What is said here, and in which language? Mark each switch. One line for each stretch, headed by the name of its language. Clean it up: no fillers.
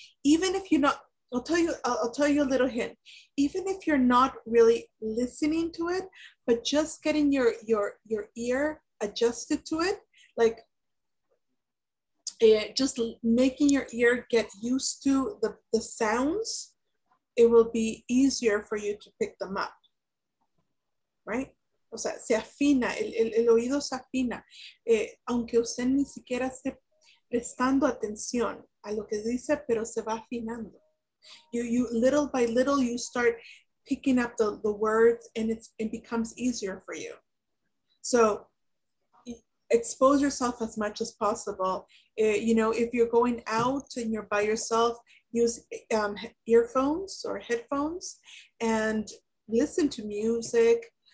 English: Even if you're not, I'll tell you a little hint. Even if you're not really listening to it, but just getting your ear adjusted to it, like just making your ear get used to the sounds, it will be easier for you to pick them up, right?
Spanish: O sea, se afina, el oído se afina, aunque usted ni siquiera esté prestando atención a lo que dice, pero se va afinando.
English: You little by little, you start picking up the words and it becomes easier for you. So expose yourself as much as possible. You know, if you're going out and you're by yourself, use earphones or headphones and listen to music.